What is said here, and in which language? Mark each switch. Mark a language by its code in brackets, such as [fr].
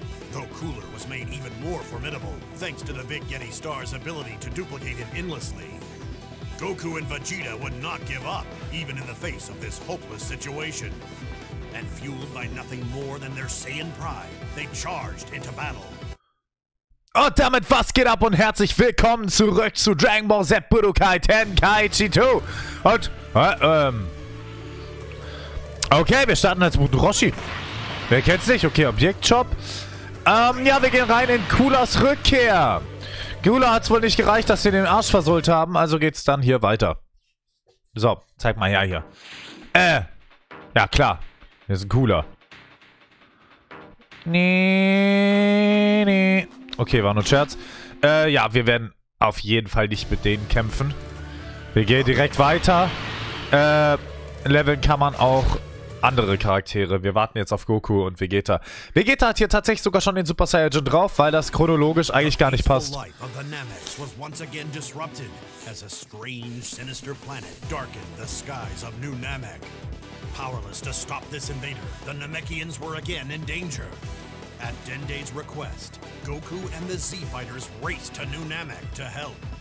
[en] Though Cooler was made even more formidable, thanks to the Big Getty Star's ability to duplicate it endlessly, Goku and Vegeta would not give up, even in the face of this hopeless situation. And fueled by nothing more than their Saiyan pride, they charged into battle. [de] Und damit, was geht ab und herzlich willkommen zurück zu Dragon Ball Z Budokai Tenkaichi 2. Und, okay, wir starten als Budroshi. Wer kennt's nicht? Okay, Objektshop. Ja, wir gehen rein in Coolers Rückkehr. Cooler hat's wohl nicht gereicht, dass wir den Arsch versohlt haben, also geht's dann hier weiter. So, zeig mal her hier. Ja klar. Wir sind Cooler. Nee, nee. Okay, war nur Scherz. Ja, wir werden auf jeden Fall nicht mit denen kämpfen. Wir gehen direkt weiter. Leveln kann man auch andere Charaktere. Wir warten jetzt auf Goku und Vegeta. Vegeta hat hier tatsächlich sogar schon den Super Saiyajin drauf, weil das chronologisch eigentlich gar nicht passt. [en] Life of the Namek was once again disrupted, as a strange, sinister planet darkened the skies of New Namek. Powerless to stop this invader, the Namekians were again in danger. At Dende's request, Goku and the Z-Fighters raced to New Namek to help.